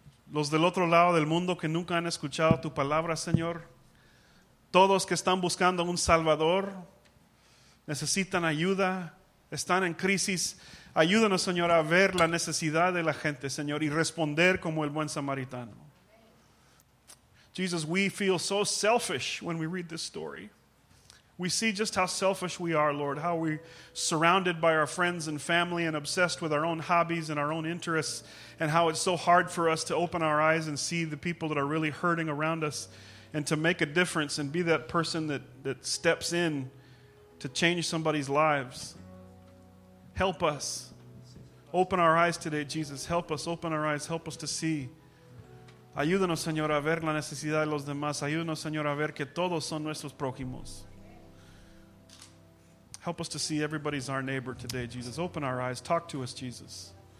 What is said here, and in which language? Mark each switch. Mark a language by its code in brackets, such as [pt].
[es] Los del otro lado del mundo que nunca han escuchado tu palabra, Señor. Todos que están buscando un Salvador, necesitan ayuda, están en crisis. Ayúdanos, Señor, a ver la necesidad de la gente, Señor, y responder como el buen samaritano. [en] Jesus, we feel so selfish when we read this story. We see just how selfish we are, Lord, how we're surrounded by our friends and family and obsessed with our own hobbies and our own interests, and how it's so hard for us to open our eyes and see the people that are really hurting around us and to make a difference and be that person that steps in to change somebody's lives. Help us. Open our eyes today, Jesus. Help us. Open our eyes. Help us to see. [es] Ayúdanos, Señor, a ver la necesidad de los demás. Ayúdanos, Señor, a ver que todos son nuestros prójimos. [en] Help us to see everybody's our neighbor today, Jesus. Open our eyes. Talk to us, Jesus.